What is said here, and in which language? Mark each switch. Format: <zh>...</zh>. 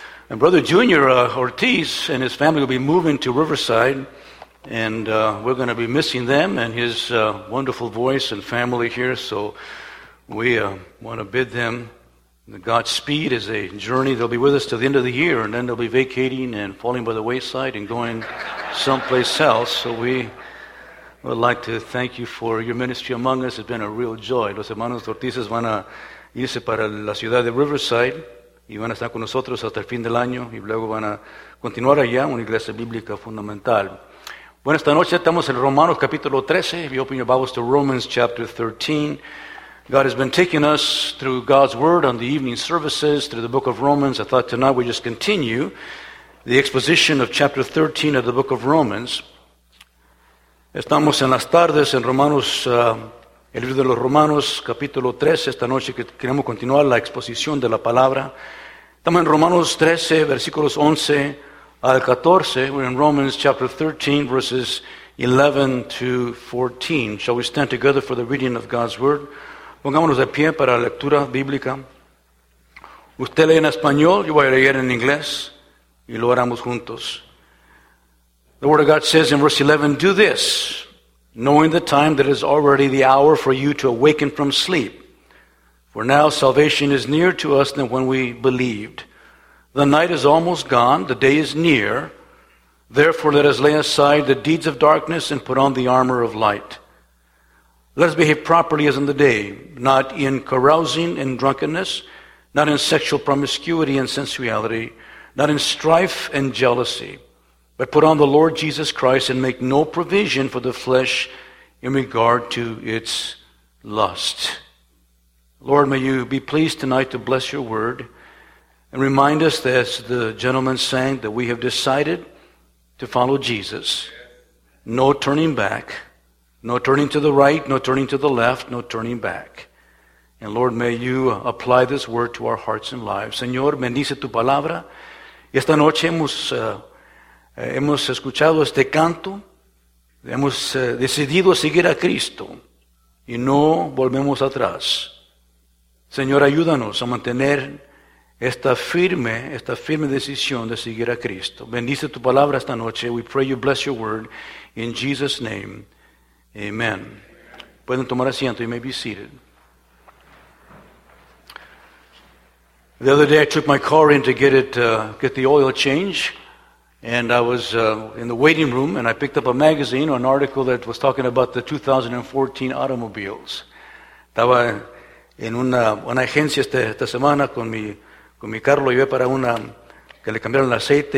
<en>And Brother Junior Ortiz and his family will be moving to Riverside, and we're going to be missing them and his wonderful voice and family here. So we want to bid them Godspeed as a journey. They'll be with us till the end of the year, and then they'll be vacating and falling by the wayside and going someplace else. So we would like to thank you for your ministry among us. It's been a real joy.</en> <es>Los hermanos Ortiz van a irse para la ciudad de Riverside. Y van a estar con nosotros hasta el fin del año y luego van a continuar allá, una iglesia bíblica fundamental. Bueno, esta noche estamos en Romanos capítulo 13.</es> <en>If you open your Bibles to Romans chapter 13, God has been taking us through God's word on the evening services through the book of Romans. I thought tonight we'd just continue the exposition of chapter 13 of the book of Romans.</en> <es>Estamos en las tardes en Romanos, el libro de los Romanos, capítulo 13. Esta noche queremos continuar la exposición de la palabra. Estamos en Romanos 13, versículos 11 al 14.</es> <en>We're in Romans chapter 13, verses 11 to 14. Shall we stand together for the reading of God's word?</en> <es>Pongámonos de pie para la lectura bíblica. Usted lee en español, yo voy a leer en inglés, y lo haremos juntos.</es> <en>The word of God says in verse 11, "Do this, knowing the time that is already the hour for you to awaken from sleep. For now salvation is nearer to us than when we believed. The night is almost gone, the day is near. Therefore let us lay aside the deeds of darkness and put on the armor of light. Let us behave properly as in the day, not in carousing and drunkenness, not in sexual promiscuity and sensuality, not in strife and jealousy, but put on the Lord Jesus Christ and make no provision for the flesh in regard to its lust." Lord, may you be pleased tonight to bless your word and remind us that, as the gentleman sang, that we have decided to follow Jesus. No turning back, no turning to the right, no turning to the left, no turning back. And Lord, may you apply this word to our hearts and lives.</en> <es>Señor, bendice tu palabra. Esta noche hemos escuchado este canto, hemos decidido seguir a Cristo y no volvemos atrás. Señor, ayúdanos a mantener esta firme decisión de seguir a Cristo. Bendice tu palabra esta noche.</es> <en>We pray you bless your word in Jesus' name. Amen.</en> <es>Pueden tomar asiento.</es> <en>You may be seated. The other day I took my car in to get the oil change. And I was in the waiting room, and I picked up a magazine or an article that was talking about the 2014 automobiles.</en> <es>Estaba en una agencia esta semana con mi carro. Lo llevé para una que le cambiaron el aceite.</es>